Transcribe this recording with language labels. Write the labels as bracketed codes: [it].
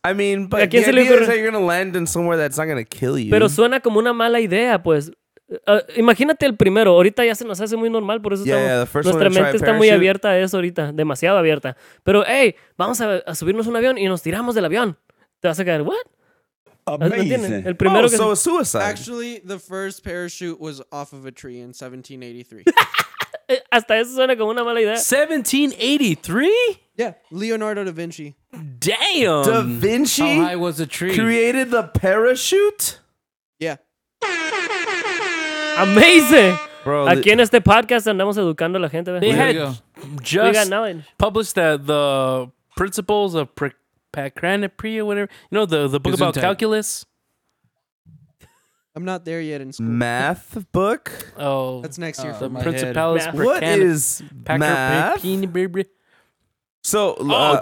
[en] I mean, but the idea is that you're going to land in somewhere that's not going to kill you. [es] Pero suena como una mala idea, pues. Imagínate el primero. Ahorita ya se nos hace muy normal, por eso nuestra mente está muy abierta a eso ahorita. Demasiado abierta. Pero, hey, vamos a subirnos un avión y nos tiramos del avión. Te vas a quedar, what? [en] Amazing. [es] El primero [en] A suicide. Actually, the first parachute was off of a tree in 1783. [es] Hasta eso suena como una mala idea. [en] 1783? Yeah, Leonardo da Vinci. Damn! Da Vinci? How high was the tree? Created the parachute? Yeah. Amazing! [es] Bro, aquí en este podcast andamos educando a la gente. [en] They had just published the principles of Prakranapriya, whatever. You know, the book about calculus. I'm not there yet in school. Math book? Oh. That's next year for my Principalis. What is math? So,